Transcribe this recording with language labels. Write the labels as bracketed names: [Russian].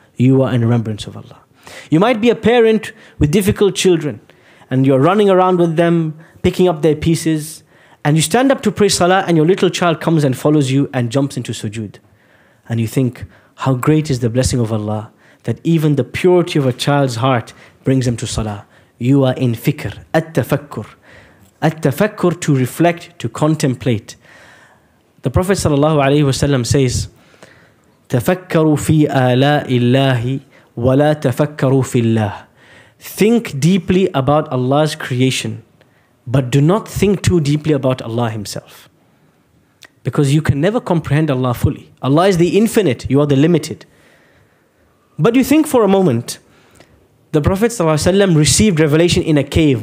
[English] You are in remembrance of Allah. You might be a parent with difficult children and you're running around with them, picking up their pieces, and you stand up to pray salah and your little child comes and follows you and jumps into sujood. And you think, how great is the blessing of Allah that even the purity of a child's heart brings them to salah. You are in fikr, at-tafakkur. At-tafakkur, to reflect, to contemplate. The Prophet sallallahu alayhi wasallam says, [Arabic] تَفَكَّرُوا فِي آلَاءِ اللَّهِ وَلَا تَفَكَّرُوا فِي اللَّهِ. [English] Think deeply about Allah's creation, but do not think too deeply about Allah himself. Because you can never comprehend Allah fully. Allah is the infinite, you are the limited. But you think for a moment, the Prophet ﷺ received revelation in a cave.